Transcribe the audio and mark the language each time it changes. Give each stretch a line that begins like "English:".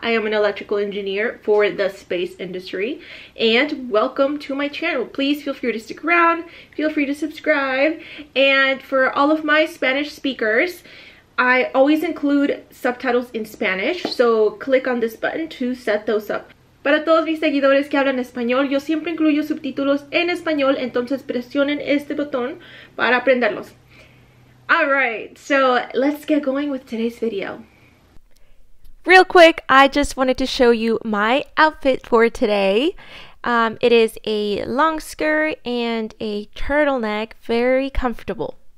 English: I am an electrical engineer for the space industry. And welcome to my channel. Please feel free to stick around, feel free to subscribe. And for all of my Spanish speakers, I always include subtitles in Spanish, so click on this button to set those up.
Spanish: Para todos mis seguidores que hablan español, yo siempre incluyo subtítulos en español, entonces presionen este botón para aprenderlos.
English: Alright, so let's get going with today's video. Real quick, I just wanted to show you my outfit for today. It is a long skirt and a turtleneck, very comfortable.